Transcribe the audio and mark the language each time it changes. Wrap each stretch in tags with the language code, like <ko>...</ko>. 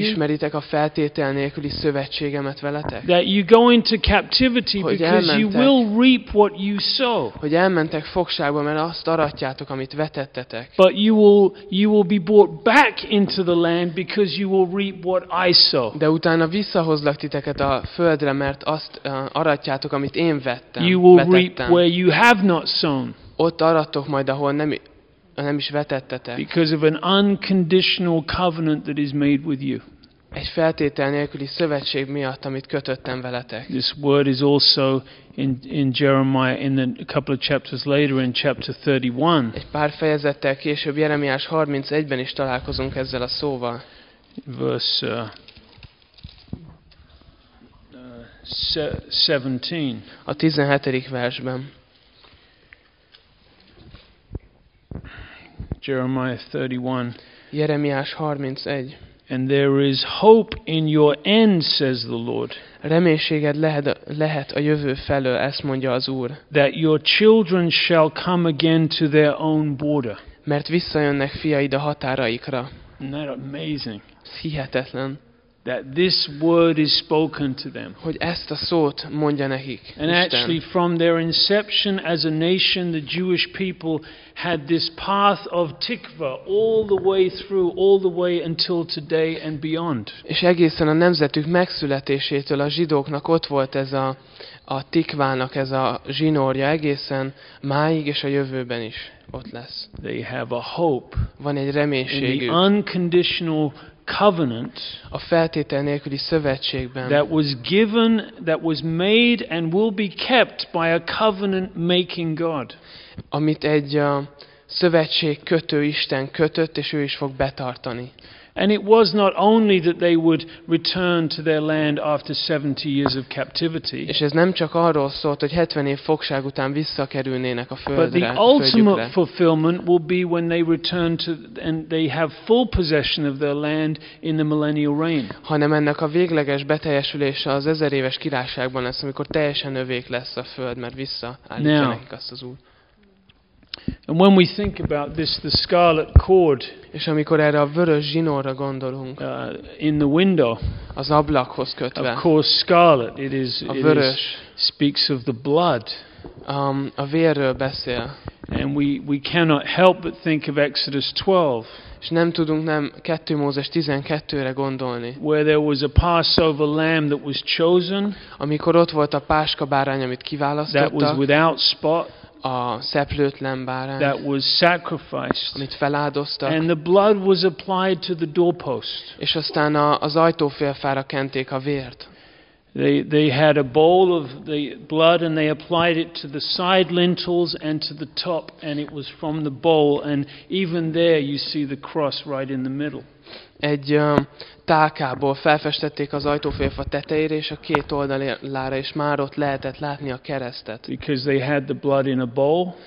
<hu>Ismeritek a feltétel nélküli szövetségemet veletek?</hu> <en>That you go into captivity because you will reap what you sow.</en> <hu>Hogy elmentek fogságba, mert azt aratjátok, amit vetettetek.</hu> <en>But you will be brought back into the land because you will reap what I sow.</en> <hu>De utána visszahozlak titeket a földre, mert azt aratjátok, amit én vettem,</hu> <en>you will reap where you have not sown.</en> <hu>Ott arattok majd, ahol nem is vetettetek.</hu> <en>Because of an unconditional covenant that is made with you.</en> <hu>Egy feltétel nélküli szövetség miatt, amit kötöttem veletek.</hu> <en>This word is also in Jeremiah in a couple of chapters later in chapter 31.</en> <hu>Egy pár fejezettel később Jeremiás 31-ben is találkozunk ezzel a szóval.</hu> <en>Verse 17.</en> <hu>A 17. versben.</hu> <en>Jeremiah 31.</en> <hu>Jeremiás 31.</hu> <en>And there is hope in your end, says the Lord.</en> <hu>Reménységed lehet a jövő felől, ezt mondja az Úr.</hu> <en>That your children shall come again to their own border.</en> <hu>Mert visszajönnek fiaid a határaikra.</hu> <en>Isn't that amazing?</en> <hu>Hihetetlen.</hu> <en>That this word is spoken to them.</en> <hu>Hogy ezt a szót mondja nekik.</hu> <en>And actually, from their inception as a nation, the Jewish people had this path of tikva all the way through, all the way until today and beyond.</en> <hu>És egészen a nemzetük megszületésétől a zsidóknak ott volt ez a tikvának ez a zsinórja egészen máig és a jövőben is ott lesz.</hu> <en>They have a hope.</en> <hu>Van egy reménységük.</hu> <en>In the unconditional covenant,</en> <hu>a feltétel nélküli szövetségben,</hu> <en>that was given, that was made and will be kept by a covenant making God.</en> <hu>Amit egy szövetségkötő Isten kötött, és ő is fog betartani.</hu> <en>And it was not only that they would return to their land after 70 years of captivity.</en> <hu>És ez nem csak arról szólt, hogy 70 év fogság után visszakerülnének a földre.</hu> <en>But the ultimate fulfillment will be when they return to and they have full possession of their land in the millennial reign.</en> <hu>Hanem ennek a végleges beteljesülése az ezer éves királyságban lesz, amikor teljesen övék lesz a föld, mert visszaállítják azt az út.</hu> <en>And when we think about this, the scarlet cord,</en> <hu>és amikor erre a vörös zsinórra gondolunk,</hu> <en>in the window,</en> <hu>az ablakhoz kötve,</hu> <en>of course scarlet, it is,</en> <hu>a vörös,</hu> <en>it is, speaks of the blood,</en> <hu>a vérről beszél,</hu> <en>and we cannot help but think of Exodus 12,</en> <hu>és nem tudunk nem 2 Mózes 12-re gondolni,</hu> <en>where there was a Passover lamb that was chosen,</en> <hu>amikor ott volt a páska bárány, amit kiválasztottak,</hu> <en>that was without spot,</en> <hu>a szeplőtlen bárány,</hu> <en>that was sacrificed,</en> <hu>amit feláldoztak,</hu> <en>and the blood was applied to the doorpost,</en> <hu>és aztán az ajtófélfára kenték a vért.</hu> <en>They had a bowl of the blood and they applied it to the side lintels and to the top, and it was from the bowl, and even there you see the cross right in the middle.</en> <hu>Egy tálkából felfestették az ajtófélfa tetejére és a két oldalára, és már ott lehetett látni a keresztet.</hu> <en>Because they had the blood in a bowl,</en>